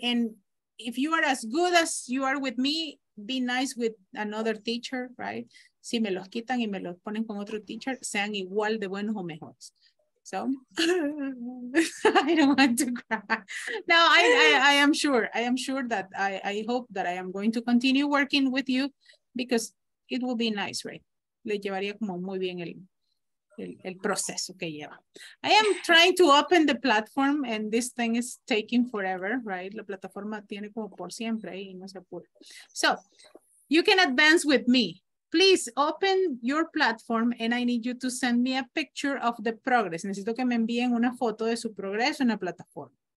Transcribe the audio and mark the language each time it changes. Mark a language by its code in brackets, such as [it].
[en] And if you are as good as you are with me, be nice with another teacher. Right? [es] Si me los quitan y me los ponen con otro teacher, sean igual de buenos o mejores. [en] So, I don't want to cry. No, I am sure that I hope that I am going to continue working with you because it will be nice, right? [es] Le llevaría como muy bien el proceso que lleva. [en] I am trying to open the platform and this thing is taking forever, right? [es] La plataforma tiene como por siempre y no se apura. [en] So, you can advance with me. Please open your platform and I need you to send me a picture of the progress. [es] Necesito que me envíen una foto de su progreso en la plataforma.